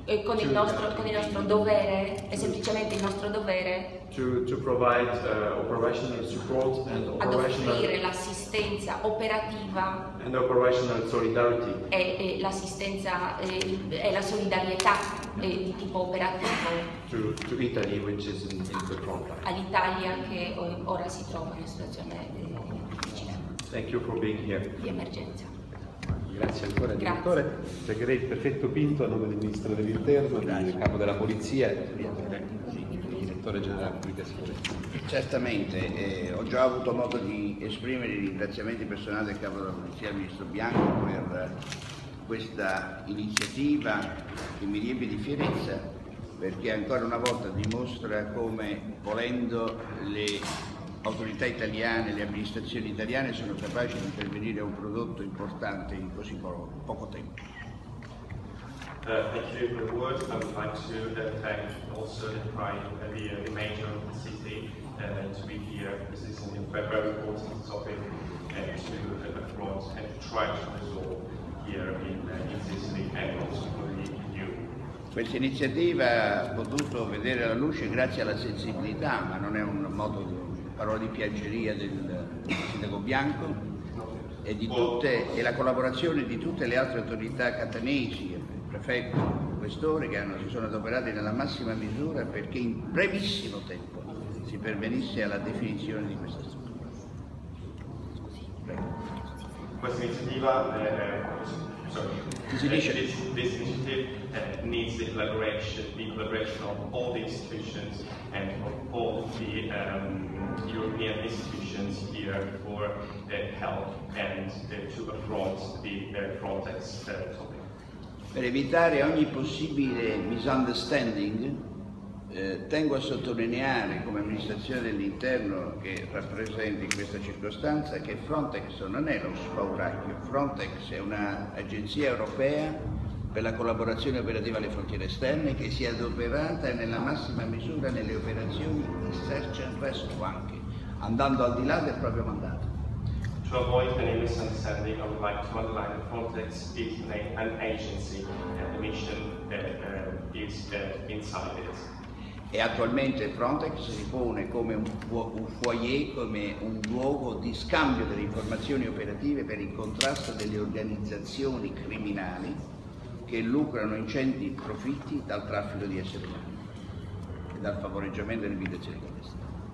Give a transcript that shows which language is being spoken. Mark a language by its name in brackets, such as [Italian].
[Italian] e con il nostro dovere, è semplicemente il nostro dovere [English] to provide operational support and operational [Italian] ad offrire l'assistenza operativa [English] and operational solidarity [Italian] e l'assistenza e la solidarietà di tipo operativo [English] to Italy, which is in the front line. [Italian] All'Italia che ora si trova in situazione di [English] thank you for being here. [Italian] Di emergenza. Grazie ancora, grazie. Direttore. Pregherei il prefetto Pinto a nome del Ministro dell'Interno, grazie. Del Capo della Polizia e del Direttore Generale della Pubblica Sicurezza. Certamente, ho già avuto modo di esprimere i ringraziamenti personali del Capo della Polizia, il Ministro Bianco, per questa iniziativa che mi riempie di fierezza, perché ancora una volta dimostra come, volendo, le autorità italiane, le amministrazioni italiane sono capaci di intervenire a un prodotto importante in così poco tempo. [English] Thank you for the words. I would like to thank also the Prime, the Mayor of the city, to be here. This is a very important topic to abroad and to try to resolve here in Sicily and also for the EU. [Italian] Questa iniziativa ha potuto vedere la luce grazie alla sensibilità, ma non è un modo di parola di piaggeria del Sindaco Bianco e di tutte e la collaborazione di tutte le altre autorità catanesi, il prefetto, il questore, che si sono adoperati nella massima misura perché in brevissimo tempo si pervenisse alla definizione di questa struttura. Questa iniziativa [English] needs the collaboration of all the institutions and of all the European institutions here for help and to affront the Frontex topic. [Italian] Per evitare ogni possibile misunderstanding, tengo a sottolineare come amministrazione dell'interno che rappresenta in questa circostanza che Frontex non è lo spauracchio, Frontex è un'agenzia europea per la collaborazione operativa alle frontiere esterne che si è adoperata nella massima misura nelle operazioni di search and rescue anche, andando al di là del proprio mandato. [English] To avoid any misunderstanding, I would like to underline that Frontex is an agency and the mission is inside it. [Italian] E attualmente Frontex si pone come un foyer, come un luogo di scambio delle informazioni operative per il contrasto delle organizzazioni criminali che lucrano ingenti profitti dal traffico di esseri umani e dal favoreggiamento delle migrazioni clandestine.